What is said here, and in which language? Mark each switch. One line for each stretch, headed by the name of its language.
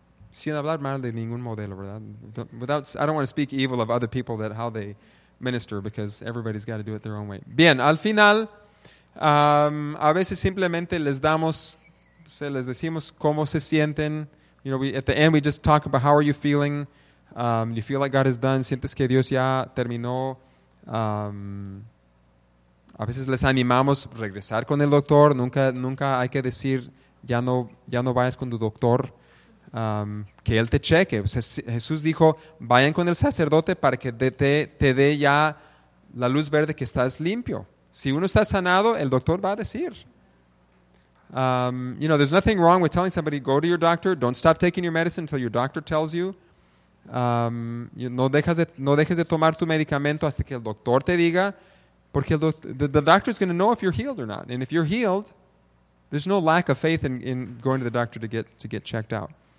Spanish: Sin hablar mal de ningún modelo, ¿verdad?
English: I don't want to speak evil of other people that how they minister because everybody's got to do it their own way.
Spanish: Bien, al final, a veces simplemente les damos, se les decimos cómo se sienten.
English: At the end we just talk about how are you feeling. You feel like God is done.
Spanish: Sientes que Dios ya terminó. A veces les animamos a regresar con el doctor. Nunca hay que decir ya no vayas con tu doctor. Que él te cheque. O sea, Jesús dijo vayan con el sacerdote para que te dé ya la luz verde que estás limpio. Si uno está sanado, el doctor va a decir.
English: You know, there's nothing wrong with telling somebody, go to your doctor, don't stop taking your medicine until your doctor tells you.
Spanish: No dejes de tomar tu medicamento hasta que el doctor te diga, porque
English: the doctor is going to know if you're healed or not. And if you're healed, there's no lack of faith in going to the doctor to get checked out.